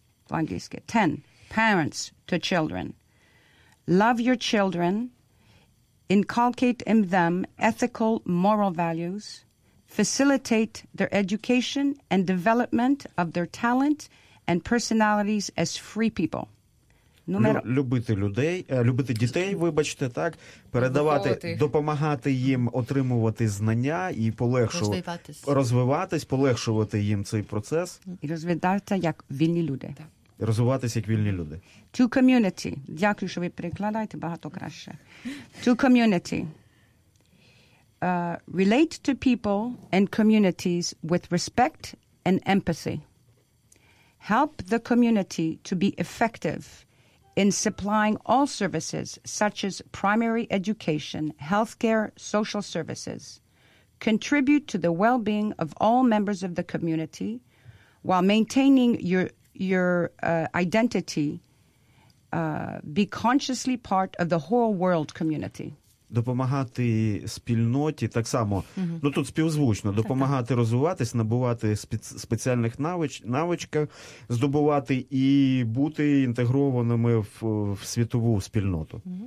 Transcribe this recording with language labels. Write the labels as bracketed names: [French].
[English] Vangiske. 10. Parents to children. Love your children. Inculcate in them ethical moral values. Facilitate their education and development of their talent and personalities as free people. [Ukrainian] Любити дітей, вибачте, так, передавати, допомагати їм отримувати знання і розвиватись, полегшувати їм цей процес. І розвиватися як вільні люди. розвиватися як вільні люди. [English] To community. [Ukrainian] Дякую, що ви перекладаєте багато краще. [English] To community. Relate to people and communities with respect and empathy. Help the community to be effective in supplying all services such as primary education, healthcare, social services. Contribute to the well-being of all members of the community while maintaining your identity. Be consciously part of the whole world community. [Ukrainian] Допомагати спільноті так само. Mm-hmm. Ну тут співзвучно. Допомагати так, розвиватись, набувати спеціальних навичок, здобувати і бути інтегрованими в світову спільноту.